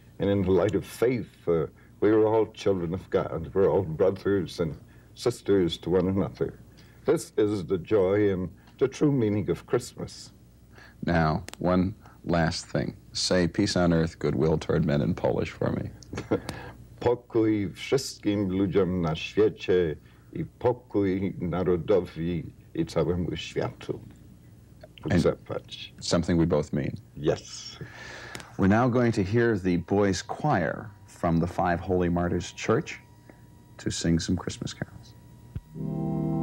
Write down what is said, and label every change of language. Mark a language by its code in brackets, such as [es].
[en] And in the light of faith, we are all children of God. We're all brothers and sisters to one another. This is the joy and the true meaning of Christmas. Now, one last thing. Say peace on earth, goodwill toward men in Polish for me. [pl] Pokój wszystkim ludziom na świecie I pokój narodowi i całemu światu. [en] Something we both mean. Yes. We're now going to hear the boys' choir from the Five Holy Martyrs Church to sing some Christmas carols.